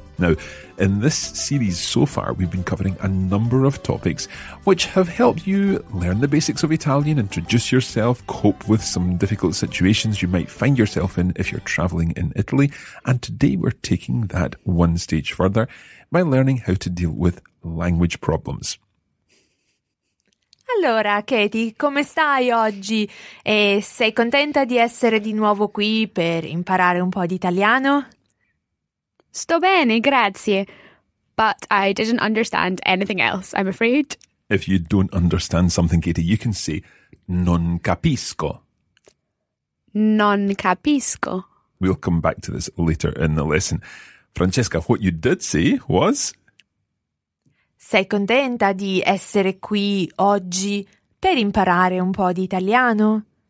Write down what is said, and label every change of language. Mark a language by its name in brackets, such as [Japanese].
[English] Now, in this series so far, we've been covering a number of topics which have helped you learn the basics of Italian, introduce yourself, cope with some difficult situations you might find yourself in if you're travelling in Italy. And today we're taking that one stage further by learning how to deal with language problems. [Italian] Allora, Katie, come stai oggi? E sei contenta di essere di nuovo qui per imparare un po' di italiano? Sto bene, grazie. [English] But I didn't understand anything else, I'm afraid. If you don't understand something, Katie, you can say, [Italian] non capisco. Non capisco. [English] We'll come back to this later in the lesson. Francesca, what you did say was... [Italian] Sei contenta di essere qui oggi per imparare un po' di italiano?